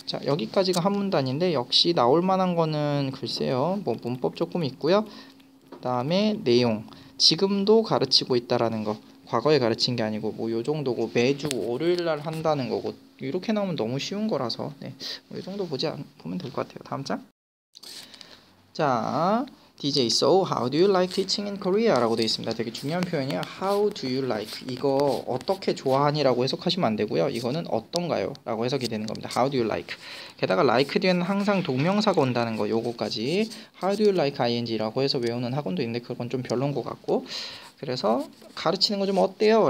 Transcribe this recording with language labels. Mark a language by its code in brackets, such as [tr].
[ko] 자, 여기까지가 한문단인데 역시 나올 만한 거는 글쎄요. 뭐 문법 조금 있고요. 그다음에 내용. 지금도 가르치고 있다라는 거. 과거에 가르친 게 아니고 뭐요 정도고 매주 월요일 날 한다는 거고. 이렇게 나오면 너무 쉬운 거라서. 네. 뭐요 정도 보면 될것 같아요. 다음 장. [en] 자, DJ, so how do you like teaching in Korea? [ko] 라고 되어 있습니다. 되게 중요한 표현이야. [en] How do you like? [ko] 이거 어떻게 좋아하니라고 해석하시면 안 되고요. 이거는 어떤가요? 라고 해석이 되는 겁니다. [en] How do you like? [ko] 게다가 like 뒤에는 항상 동명사가 온다는 거, 요거까지. How do you like ing라고 해서 외우는 학원도 있는데 그건 좀 별론 것 같고. 그래서 가르치는 거좀 어때요?